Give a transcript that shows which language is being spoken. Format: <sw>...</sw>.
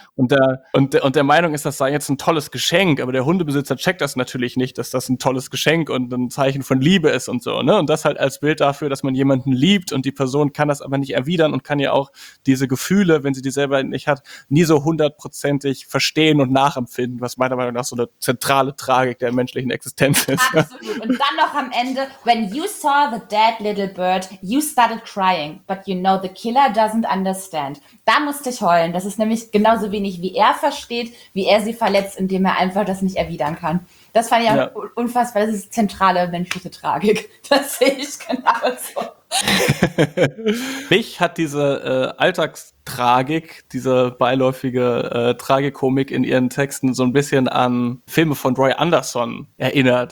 <de>Und der Meinung ist, das sei jetzt ein tolles Geschenk, aber der Hundebesitzer checkt das natürlich nicht, dass das ein tolles Geschenk und ein Zeichen von Liebe ist und so. Ne? Und das halt als Bild dafür, dass man jemanden liebt und die Person kann das aber nicht erwidern und kann ja auch diese Gefühle, wenn sie die selber nicht hat, nie so hundertprozentig verstehen und nachempfinden, was meiner Meinung nach so eine zentrale Tragik der menschlichen Existenz ist. Absolut. Und dann noch am Ende,</de> <en>when you saw the dead little bird, you started crying, but you know the killer doesn't understand.</en> <de>Da musste ich heulen. Das ist nämlich genauso wenig, wie er versteht, wie er sie verletzt, indem er einfach das nicht erwidern kann. Das fand ich auch unfassbar. Das ist zentrale menschliche Tragik. Das sehe ich genau so. Mich hat diese Alltagstragik, diese beiläufige Tragikomik in ihren Texten so ein bisschen an Filme von Roy Anderson erinnert.</de>